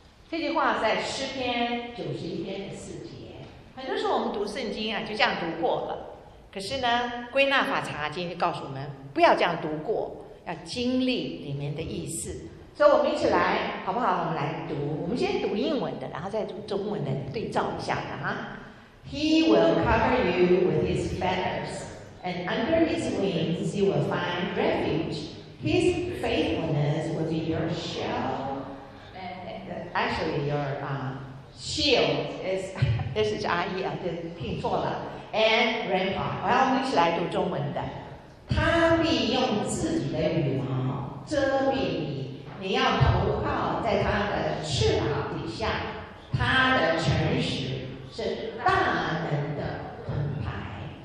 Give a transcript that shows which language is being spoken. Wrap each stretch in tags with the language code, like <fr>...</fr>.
<zh>这句话在诗篇91:4，很多时候我们读圣经啊，就这样读过了。可是呢，归纳法查经就告诉我们，不要这样读过，要经历里面的意思。所以我们一起来，好不好？我们来读，我们先读英文的，然后再读中文的，对照一下的哈。</zh> <en>He will cover you with his feathers, and under his wings you will find refuge. His faithfulness will be your shell. Actually, your shield is S-H-I-E-L,</en> <zh>就拼错了。</zh> <en>And rampart，</en> <zh>我要一起来读中文的。他必用自己的羽毛遮蔽你，你要投靠在他的翅膀底下。他的诚实是大能的盾牌。</zh>